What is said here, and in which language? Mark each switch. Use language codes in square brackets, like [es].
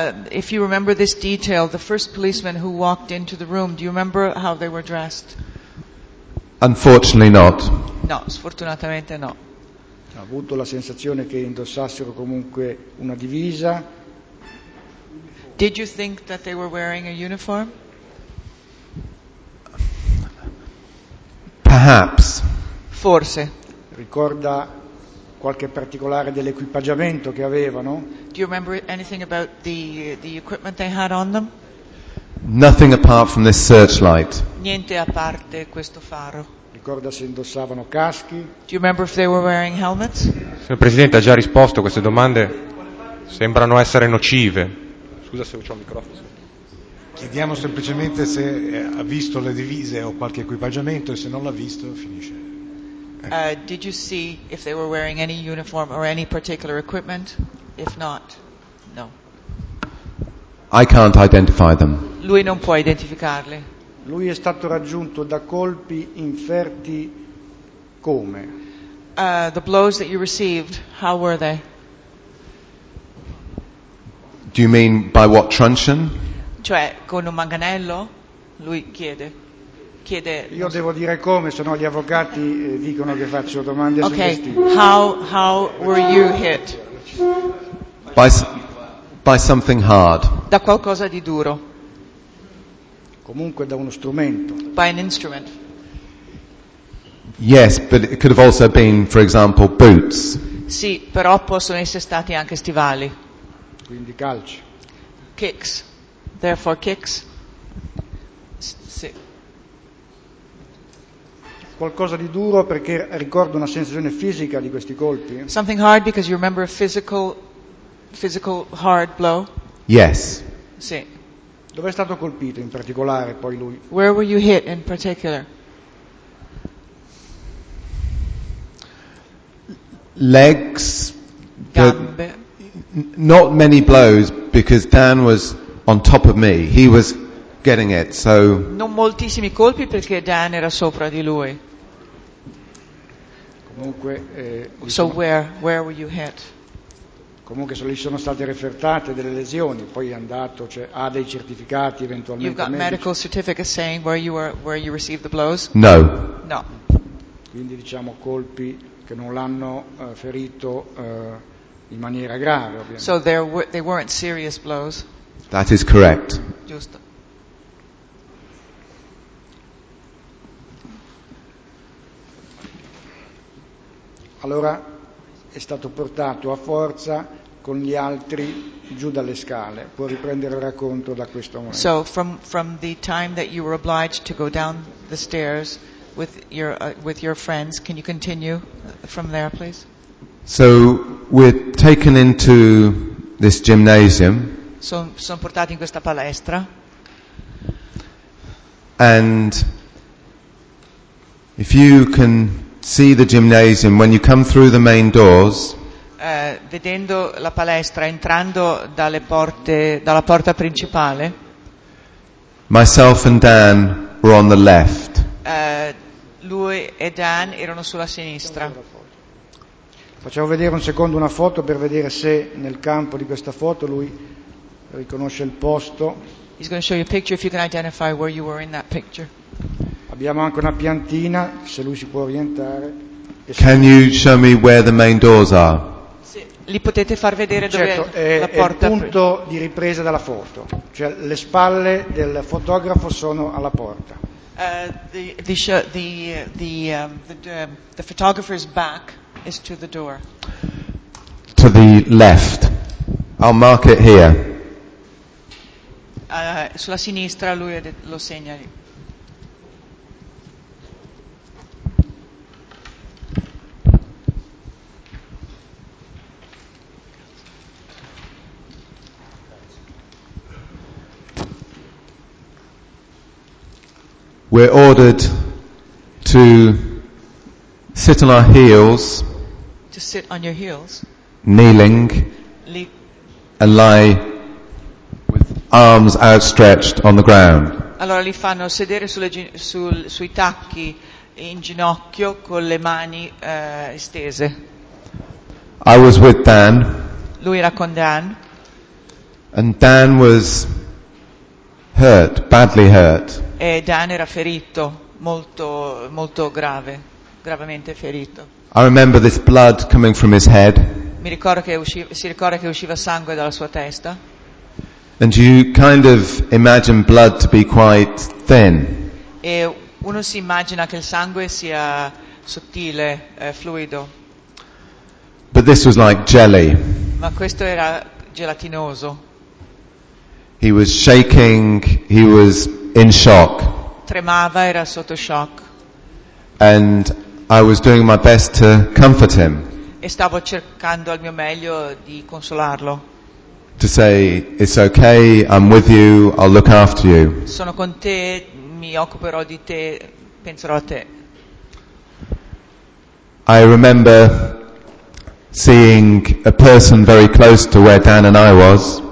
[en] If you remember this detail, the first policeman who walked into the room, do you remember how they were dressed? Unfortunately not. [it] No, sfortunatamente no. Ha avuto la sensazione che indossassero comunque una divisa? [en] Did you think that they were wearing a uniform? Perhaps. [it] Forse. Ricorda qualche particolare dell'equipaggiamento che avevano? [en] Do you remember anything about the equipment they had on them? Nothing apart from this searchlight. [it] Niente a parte questo faro. Ricorda se indossavano caschi? [en] Do you remember if they were wearing helmets? [it] Signor Presidente, ha già risposto, queste domande sembrano essere nocive. Scusa se ho il microfono. Chiediamo semplicemente se ha visto le divise o qualche equipaggiamento e se non l'ha visto finisce. [en] Did you see if they were wearing any uniform or any particular equipment? If not, no. I can't identify them. [it] Lui non può identificarli. Lui è stato raggiunto da colpi inferti come? [en] The blows that you received, how were they? Do you mean by what truncheon? [it] Cioè, con un manganello? Lui chiede. Io devo dire come, sennò gli avvocati dicono che faccio domande su questi. [en] Ok, how were you hit? By something hard. [it] Da qualcosa di duro. Comunque da uno strumento. [en] By an instrument. Yes, but it could have also been, for example, boots. [it] Sì, però possono essere stati anche stivali. Quindi calci. [en] Kicks. Therefore kicks. [it] Sì. Qualcosa di duro perché ricordo una sensazione fisica di questi colpi. [en] Something hard because you remember a physical hard blow? Yes. [it] Sì. Dove è stato colpito in particolare poi lui? [en] Where were you hit in particular? Legs. [it] Gambe. [en] Not many blows because Dan was on top of me. He was getting it, so. [it] Non moltissimi colpi perché Dan era sopra di lui. Comunque, [en] so where were you hit? [it] Comunque se gli sono state refertate delle lesioni, poi è andato, cioè ha dei certificati eventualmente. [en] You've got [it] medici. [en] Medical certificate saying where you received the blows? No. [it] No. Quindi diciamo colpi che non l'hanno ferito in maniera grave, ovviamente. [en] So they weren't serious blows. That is correct. [it] Giusto. Allora è stato portato a forza con gli altri giù dalle scale. Può riprendere il racconto da questo momento. [en] So from the time that you were obliged to go down the stairs with your friends, can you continue from there, please? So we're taken into this gymnasium. [it] Sono portati in questa palestra. [en] And if you can see the gymnasium when you come through the main doors. [it] Vedendo la palestra entrando dalle porte dalla porta principale. [en] Myself and Dan were on the left. [it] Lui e Dan erano sulla sinistra. Facciamo vedere un secondo una foto per vedere se nel campo di questa foto lui riconosce il posto. [en] He's going to show you a picture if you can identify where you were in that picture. [it] Abbiamo anche una piantina, se lui si può orientare. [en] Can you show me where the main doors are? [it] Sì, li potete far vedere, certo, dove è la porta. È il punto di ripresa della foto. Cioè le spalle del fotografo sono alla porta. [en] The photographer's back is to the door. To the left. I'll mark it here. [it] Sulla sinistra lui lo segna lì. [en] We're ordered to sit on our heels. To sit on your heels. Kneeling. And lie with arms outstretched on the ground. [it] Allora li fanno sedere sui tacchi in ginocchio con le mani estese. [en] I was with Dan. [it] Lui era con Dan. [en] And Dan was hurt, badly hurt. [it] E Dan era ferito, molto molto grave, gravemente ferito. [en] I remember this blood coming from his head. [it] Mi ricordo che usciva sangue dalla sua testa. [en] And you kind of imagine blood to be quite thin. [it] E uno si immagina che il sangue sia sottile, fluido. [en] But this was like jelly. [it] Ma questo era gelatinoso. [en] He was shaking, he was in shock. [it] Tremava, era sotto shock. [en] And I was doing my best to comfort him. [it] E stavo cercando al mio meglio di consolarlo. [en] To say, it's okay, I'm with you, I'll look after you. [it] Sono con te, mi occuperò di te, penserò a te. [en] I remember seeing a person very close to where Dan and I was.